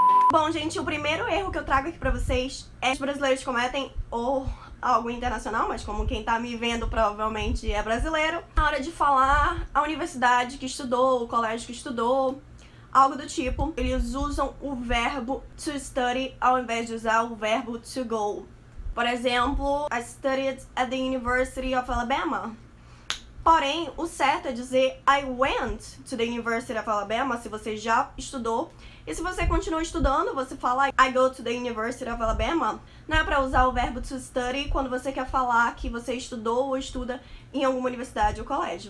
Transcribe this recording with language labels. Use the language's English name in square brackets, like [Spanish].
[Portuguese] Bom, gente, o primeiro erro que eu trago aqui pra vocês é que os brasileiros cometem algo internacional, mas como quem tá me vendo provavelmente é brasileiro, na hora de falar a universidade que estudou, o colégio que estudou, algo do tipo, eles usam o verbo to study ao invés de usar o verbo to go. Por exemplo, [English] I studied at the University of Alabama. [Portuguese] Porém, o certo é dizer [English] I went to the University of Alabama, [Portuguese] se você já estudou. E se você continua estudando, você fala [English] I go to the University of Alabama. [Portuguese] Não é pra usar o verbo to study quando você quer falar que você estudou ou estuda em alguma universidade ou colégio.